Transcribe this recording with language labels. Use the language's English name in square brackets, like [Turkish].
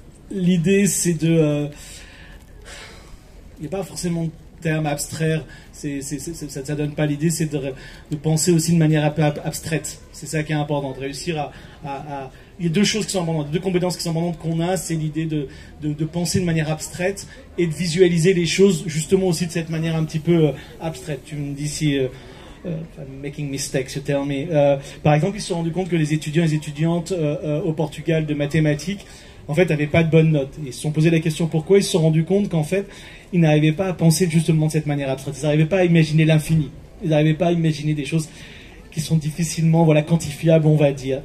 [French] L'idée c'est de, il y a pas forcément terme abstraire, ça donne pas l'idée, c'est de penser aussi de manière un peu abstraite. C'est ça qui est important, de réussir à il y a deux choses qui sont importantes, deux compétences qui sont importantes qu'on a, c'est l'idée de penser de manière abstraite et de visualiser les choses justement aussi de cette manière un petit peu abstraite. Tu me dis si [English] I'm making mistakes, you tell me. [French] Par exemple, ils se sont rendus compte que les étudiants et les étudiantes au Portugal de mathématiques en fait n'avaient pas de bonnes notes. Ils se sont posé la question pourquoi, ils se sont rendus compte qu'en fait ils n'arrivaient pas à penser justement de cette manière abstraite. Ils n'arrivaient pas à imaginer l'infini. Ils n'arrivaient pas à imaginer des choses qui sont difficilement voilà, quantifiables, on va dire.